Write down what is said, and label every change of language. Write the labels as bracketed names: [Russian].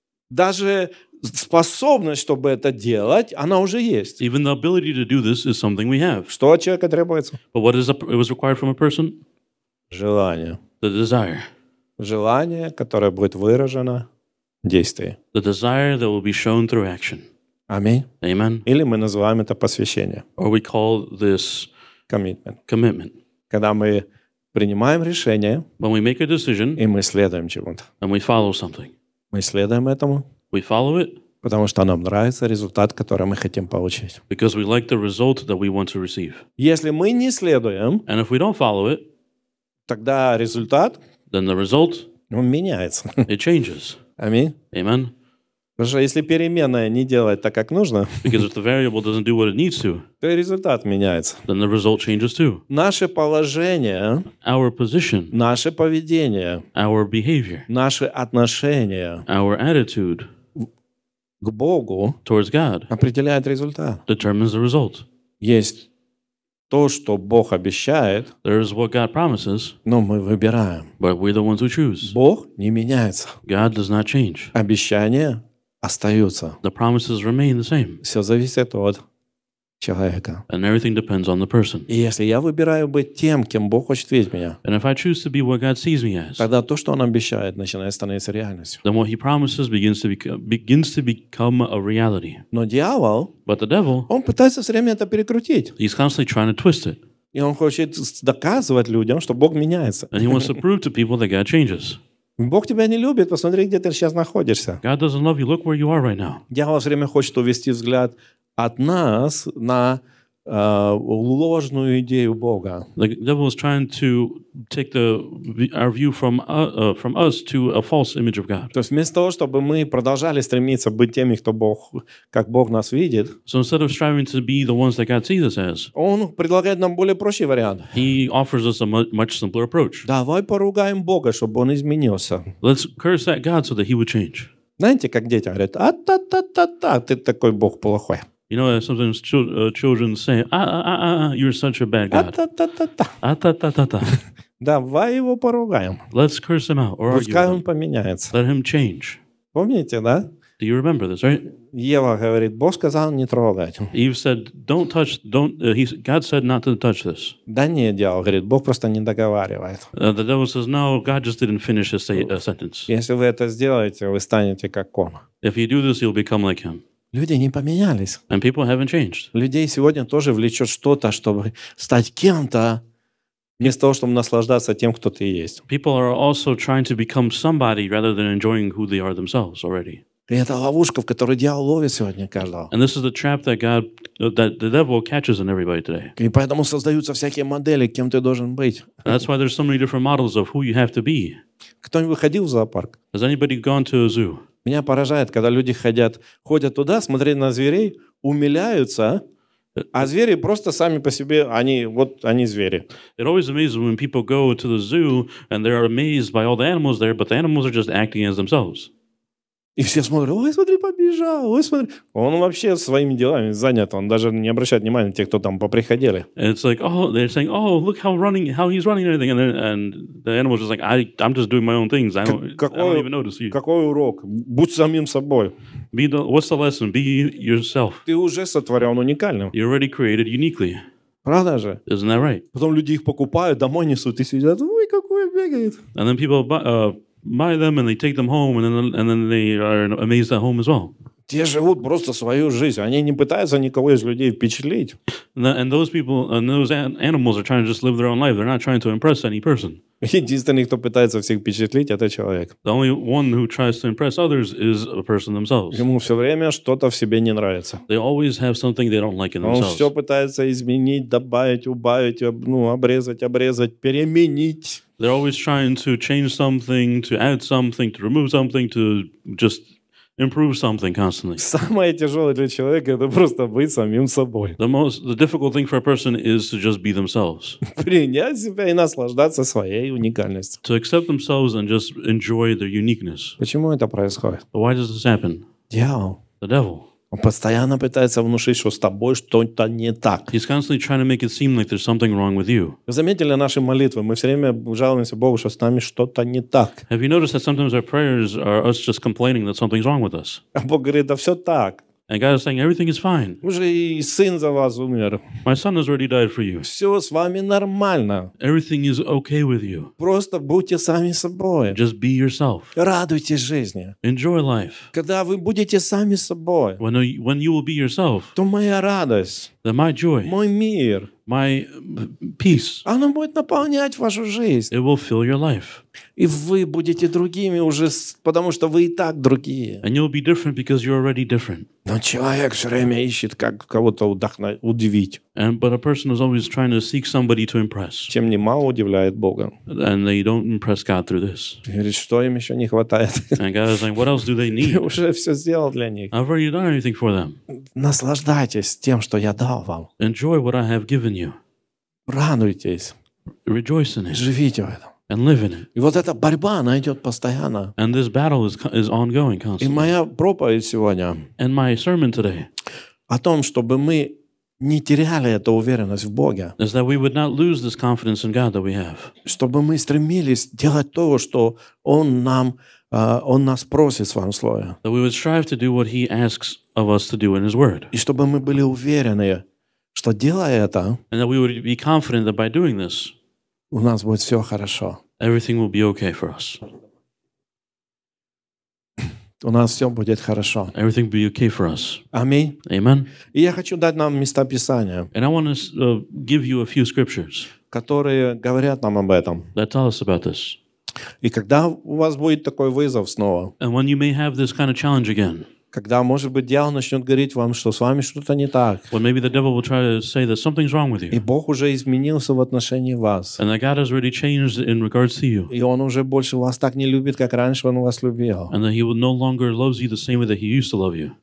[Russian] Даже способность, чтобы это делать, она уже есть. [English] Even the ability to do this is something we have. [Russian] Что от человека требуется? [English] But what is it was required from a person? [Russian] Желание. [English] The desire. [Russian] Желание, которое будет выражено действием. [English] The desire that will be shown through action. [Russian] Аминь. [English] Amen. [Russian] Или мы называем это посвящение. [English] Or we call this commitment. Commitment. [Russian] Когда мы принимаем решение, [English] when we make a decision, [Russian] и мы следуем чему-то. [English] And we follow something. [Russian] Мы следуем этому. [English] We follow it, [Russian] потому что нам нравится результат, который мы хотим получить. [English] Because we like the result that we want to receive. [Russian] Если мы не следуем, [English] and if we don't follow it, [Russian] тогда результат, [English] then the result, [Russian] он меняется. [English] It changes. [Russian] Аминь. [English] Amen. [Russian] Потому что если переменная не делает так, как нужно, [English] because if the variable doesn't do what it needs to, [Russian] то результат меняется. [English] Then the result changes too. [Russian] Наше положение, [English] our position, [Russian] наше поведение, [English] our behavior, [Russian] наши отношения, [English] our attitude, [Russian] к Богу, [English] towards God, [Russian] определяет результат. [English] Determines the result. [Russian] Есть то, что Бог обещает, [English] there is what God promises, [Russian] но мы выбираем. [English] But we're the ones who choose. [Russian] Бог не меняется. [English] God does not change. [Russian] Обещание остаются. [English] The promises remain the same. [Russian] Все зависит от человека. [English] And everything depends on the person. [Russian] И если я выбираю быть тем, кем Бог хочет видеть меня, [English] and if I choose to be what God sees me as, [Russian] тогда то, что Он обещает, начинает становиться реальностью. [English] Then what He promises begins to become a reality. [Russian] Но дьявол, [English] but the devil, [Russian] он пытается все время это перекрутить. [English] He's constantly trying to twist it. [Russian] И он хочет доказывать людям, что Бог меняется. [English] And he wants to prove to people that God changes. [Russian] Бог тебя не любит, посмотри, где ты сейчас находишься. [English] God doesn't love you, look where you are right now. [Russian] Дьявол все время хочет увести взгляд от нас на ложную идею Бога. [English] The devil is trying to take our view from us to a false image of God. [Russian] То есть вместо того, чтобы мы продолжали стремиться быть теми, кто Бог, как Бог нас видит, [English] so instead of striving to be the ones that God sees us as, [Russian] он предлагает нам более прощий вариант. [English] He offers us a much simpler approach. [Russian] Давай поругаем Бога, чтобы он изменился. [English] Let's curse that God so that he would change. [Russian] Знаете, как дети говорят, а-та-та-та-та, ты такой Бог плохой. [English] You know, sometimes children say, you're such a bad God. [Russian] А-та-та-та-та. Давай его поругаем. [English] Let's curse him out. Or [Russian] пускай он поменяется. [English] Let him change. [Russian] Помните, да? [English] Do you remember this, right? [Russian] Ева говорит, Бог сказал не трогать. [English] Eve said, God said not to touch this. [Russian] Да не, дьявол говорит, Бог просто не договаривает. [English] The devil says, no, God just didn't finish a sentence. [Russian] Если вы это сделаете, вы станете как он. [English] If you do this, you'll become like him. [Russian] Люди не поменялись. [English] And people haven't changed. [Russian] Людей сегодня тоже влечет что-то, чтобы стать кем-то, вместо того, чтобы наслаждаться тем, кто ты есть. [English] People are also trying to become somebody rather than enjoying who they are themselves already. [Russian] И это ловушка, в которую дьявол ловит сегодня каждого. [English] And this is the trap that God, that the devil catches in everybody today. [Russian] И поэтому создаются всякие модели, кем ты должен быть. [English] And that's why there's so many different models of who you have to be. [Russian] Кто-нибудь ходил в зоопарк? [English] Has anybody gone to a zoo? [Russian] Меня поражает, когда люди ходят туда, смотреть на зверей, умиляются, а звери просто сами по себе, они звери. [English] It always amazes when people go to the zoo and they're amazed by all the animals there, but the animals are just acting as themselves. [Russian] И все смотрят, ой, смотри, побежал, ой, смотри. Он вообще своими делами занят, он даже не обращает внимания на тех, кто там поприходили. [English] It's like, oh, they're saying, oh, look how he's running and everything. And the animal's just like, I'm just doing my own things. I don't even notice you. [Russian] Какой урок? Будь самим собой. [English] What's the lesson? Be yourself. [Russian] Ты уже сотворен уникальным. [English] You're already created uniquely. [Russian] Правда же? [English] Isn't that right? [Russian] Потом люди их покупают, домой несут и сидят, ой, какой бегает. [English] And then people buy them and they take them home and then they are amazed at home as well. [Russian] Те живут просто свою жизнь. Они не пытаются никого из людей впечатлить. [English] And those people and those animals are trying to just live their own life. They're not trying to impress any person. [Russian] Единственный, кто пытается всех впечатлить, это человек. [English] The only one who tries to impress others is a person themselves. [Russian] Ему все время что-то в себе не нравится. [English] They always have something they don't like in themselves. [Russian] Он все пытается изменить, добавить, убавить, ну, обрезать, переменить. [English] They're always trying to change something, to add something, to remove something, to just improve something constantly. [Russian] Самое тяжелое для человека это просто быть самим собой. [English] The difficult thing for a person is to just be themselves. [Russian] Принять себя и наслаждаться своей уникальностью. [English] To accept themselves and just enjoy their uniqueness. [Russian] Почему это происходит? [English] But why does this happen? [Russian] Дьявол. [English] The devil. [Russian] Он постоянно пытается внушить, что с тобой что-то не так. [English] He's constantly trying to make it seem like there's something wrong with you. [Russian] Вы заметили наши молитвы? Мы все время жалуемся Богу, что с нами что-то не так. [English] Have you noticed that sometimes our prayers are us just complaining that something's wrong with us? [Russian] А Бог говорит, да все так. [English] And God is saying, everything is fine. [Russian] Уже и сын за вас умер. [English] My son has already died for you. [Russian] Все с вами нормально. [English] Everything is okay with you. [Russian] Просто будьте сами собой. [English] Just be yourself. [Russian] Радуйтесь жизни. [English] Enjoy life. [Russian] Когда вы будете сами собой, [English] when you will be yourself, [Russian] то моя радость, [English] then my joy, [Russian] мой мир, [English] my peace, [Russian] оно будет наполнять вашу жизнь. [English] It will fill your life. [Russian] И вы будете другими уже, потому что вы и так другие. [English] And you'll be different because you're already different. [Russian] Но человек все время ищет, как кого-то вдохновить, удивить. [English] And, but a person is always trying to seek somebody to impress. [Russian] Чем немало удивляет Бога. [English] And they don't impress God through this. [Russian] Говорит, что им еще не хватает? [English] And God is like, what else do they need? [Russian] Я уже все сделал для них. [English] I've already done anything for them. [Russian] Наслаждайтесь тем, что я дал вам. [English] Enjoy what I have given you. [Russian] Радуйтесь. [English] Rejoice in it. [Russian] Живите в этом. [English] And live in it. [Russian] И вот эта борьба, она идет постоянно. [English] And this battle is ongoing constantly. [Russian] И моя проповедь сегодня. [English] And my sermon today. [Russian] О том, чтобы мы не теряли эту уверенность в Боге. [English] Is that we would not lose this confidence in God that we have. [Russian] Чтобы мы стремились делать то, что Он нам, Он нас просит в Своем Слове. [English] That we would strive to do what He asks of us to do in His Word. [Russian] И чтобы мы были уверены, что делая это, [English] and that we would be confident that by doing this, [Russian] у нас будет все хорошо. [English] Everything will be okay for us. [Russian] У нас все будет хорошо. [English] Everything will be okay for us. [Russian] Аминь. [English] Amen. [Russian] И я хочу дать нам места Писания. [English] And I want to give you a few scriptures. [Russian] Которые говорят нам об этом. [English] That tell us about this. [Russian] И когда у вас будет такой вызов снова. [English] And when you may have this kind of challenge again. [Russian] Когда, может быть, дьявол начнет говорить вам, что с вами что-то не так. [English] Well, maybe the devil will try to say that something's wrong with you. [Russian] И Бог уже изменился в отношении вас. [English] And that God has already changed in regards to you. [Russian] И Он уже больше вас так не любит, как раньше Он вас любил. [English] And that He will no longer loves you the same way that He used to love you.